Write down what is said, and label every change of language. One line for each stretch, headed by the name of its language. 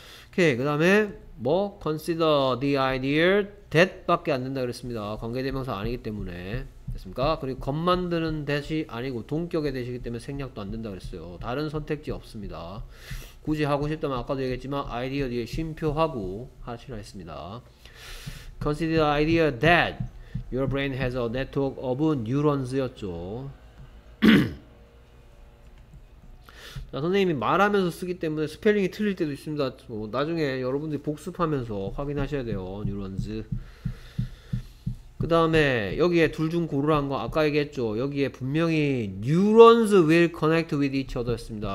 Korean: 오케이, 그 다음에 뭐
English: consider the idea that
Korean: 밖에 안 된다 그랬습니다. 관계대명사 아니기 때문에. 됐습니까? 그리고 겉만 드는 that이 아니고 동격이 되시기 때문에 생략도 안 된다 그랬어요. 다른 선택지 없습니다. 굳이 하고 싶다면 아까도 얘기했지만 아이디어 뒤에 쉼표하고 하시라 했습니다.
English: Consider the idea that your brain has a network of neurons였죠.
Korean: 선생님이 말하면서 쓰기 때문에 스펠링이 틀릴 때도 있습니다. 나중에 여러분들이 복습하면서 확인하셔야 돼요.
English: neurons.
Korean: 그 다음에 여기에 둘중 고르라는 거 아까 얘기했죠. 여기에 분명히
English: neurons will connect with each other였습니다.